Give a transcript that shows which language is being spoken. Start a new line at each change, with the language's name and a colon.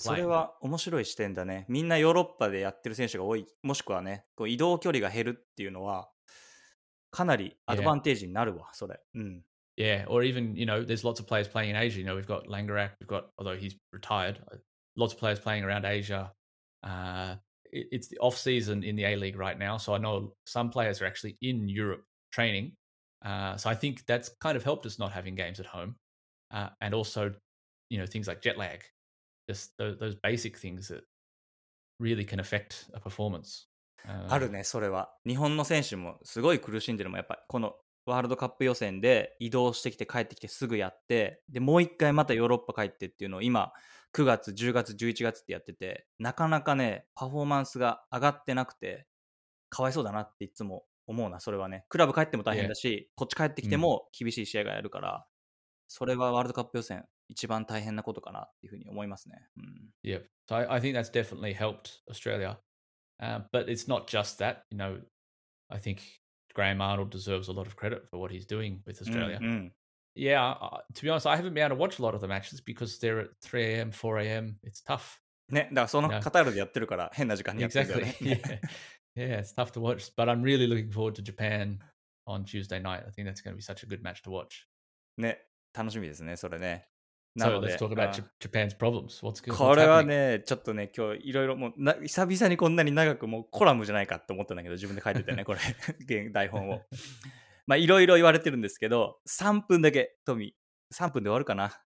Japanese: それは面白い視点だね。みんなヨーロッパでやってる選手が多い。もしくはね、こう移動距離が減るっていうのは、かなりアドバンテージになるわ、yeah. それ。
English: Yeah, or even, you know, there's lots of players playing in Asia. You know, we've got Langerak, we've got, although he's retired, lots of players playing around Asia. It's the off-season in the A-League right now, so I know some players are actually in Europe training. So I think that's kind of helped us not having games at home. And also, you know, things like jet lag, just those basic things that really can affect a performance.
Japanese: あるね、それは。日本の選手もすごい苦しんでるもん、やっぱりこのワールドカップ予選で移動してきて帰ってきてすぐやって、でもう一回またヨーロッパ帰ってっていうのを今9月10月11月ってやってて、なかなかねパフォーマンスが上がってなくてかわいそうだなっていつも思うな。それはね、クラブ帰っても大変だし、こっち帰ってきても厳しい試合がやるから、それはワールドカップ予選一番大変なことかなっていうふうに思いますね。
English: Yep. So I think that's definitely helped AustraliaBut it's not just that, you know, I think Graham Arnold deserves a lot of credit for what he's doing with Australia. Mm-hmm. Yeah, to be honest, I haven't been able to watch a lot of the matches because they're at 3 a.m., 4 a.m. It's tough.
Japanese: ね、だからそのカタールでやってるから変な時間にやってるよね。
English: Exactly. Yeah. Yeah, it's tough to watch, but I'm really looking forward to Japan on Tuesday night. I think that's going to be such a good match to watch.
Japanese: ね、楽しみですね、それね。
English: So let's talk about Japan's problems. What's going
Japanese: on? これはね、ちょっとね、今日いろいろもう久々にこんなに長くもうコラムじゃないかって思ったんだけど、自分で書いてたね、これ台本を。まあいろいろ言われてるんですけど、3分だけ、トミー、3分で終わるかな。